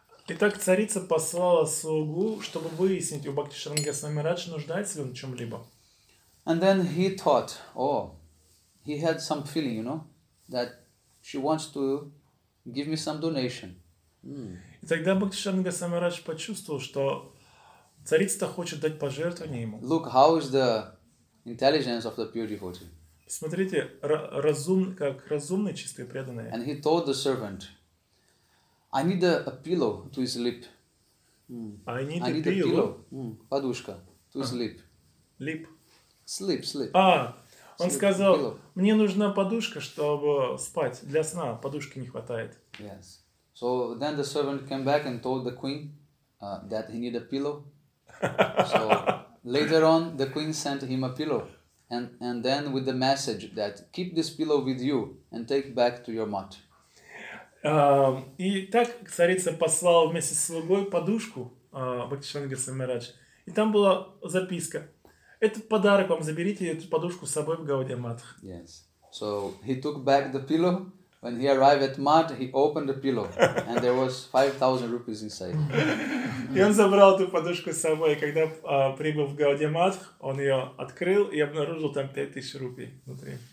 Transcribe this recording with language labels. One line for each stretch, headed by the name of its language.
Russian: Итак, царица послала слугу, чтобы выяснить, у Бхактишанга Goswami Maharaj нуждается ли он в чем-либо.
English: And then he thought, oh, he had some feeling, you know, that she wants to give me some donation.
Russian: И тогда Бхактишанга Goswami Maharaj почувствовал, что царица-то хочет дать пожертвование ему.
English: Look, how is the intelligence of the pure devotee?
Russian: Смотрите, как разумные, чистые, преданные.
English: And he told the servant, I need a pillow to sleep. I need a pillow. Подушка to sleep. Lip. Sleep.
Russian: Он сказал, pillow. Мне нужна подушка, чтобы спать. Для сна подушки не хватает. Yes.
English: So then the servant came back and told the queen that he need a pillow. So later on, the queen sent him a pillow. And then with the message that keep this pillow with you and take back to your mat.
Russian: И так царица послала вместе с слугой подушку Бхактишанга Goswami Maharaj. И там была записка. Это подарок вам, заберите эту подушку с собой в Гаудия Матх.
English: Yes. So he took back the pillow. When he arrived at mat, he opened the pillow and there was 5,000 rupees inside.
Russian: И он забрал эту подушку с собой, когда прибыл в Гаудия Матх, он ее открыл и обнаружил там 5,000 рупий внутри.